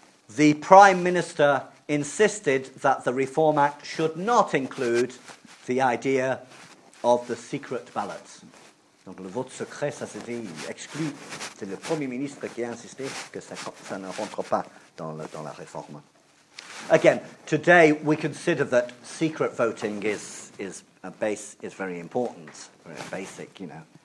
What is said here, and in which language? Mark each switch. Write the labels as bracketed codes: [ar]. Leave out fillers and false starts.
[en] The Prime Minister insisted that the Reform Act should not include the idea of the secret ballot. [fr] Donc le vote secret, ça c'était exclu. C'est le Premier ministre qui a insisté que ça ne rentre pas dans la réforme. [en] Again, today we consider that secret voting is very important, very basic, you know.